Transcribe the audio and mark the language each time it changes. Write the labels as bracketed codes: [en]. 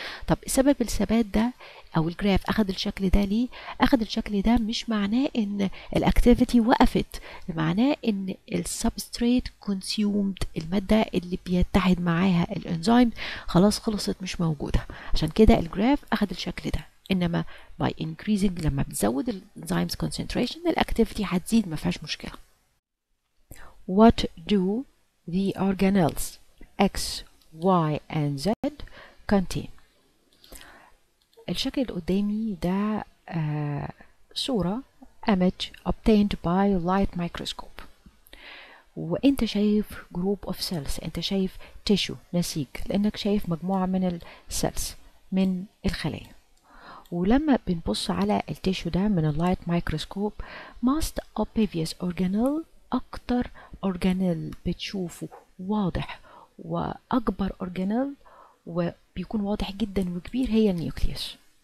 [ar] طب سبب الثبات ده او الجراف اخد الشكل ده ليه؟ اخد الشكل ده مش معناه ان الاكتيفيتي وقفت، معناه ان السبستريت كونسيومد، المادة اللي بيتحد معاها الانزيم خلاص خلصت مش موجودة، عشان كده الجراف اخد الشكل ده. انما by increasing، لما بتزود الانزيمز concentration الاكتيفيتي هتزيد ما فيهاش مشكلة. [en] What do the organelles X, Y and Z contain؟ [ar] الشكل القدامي ده صورة [en] image obtained by light microscope، [ar] وانت شايف [en] group of cells، [ar] انت شايف tissue نسيج، لانك شايف مجموعة من cells من الخلايا. ولما بنبص على التيشو ده من اللايت مايكروسكوب، [en] most obvious organelle، [ar] اكتر organelle بتشوفه واضح واكبر organelle وبيكون واضح جدا وكبير هي النيوكليوس.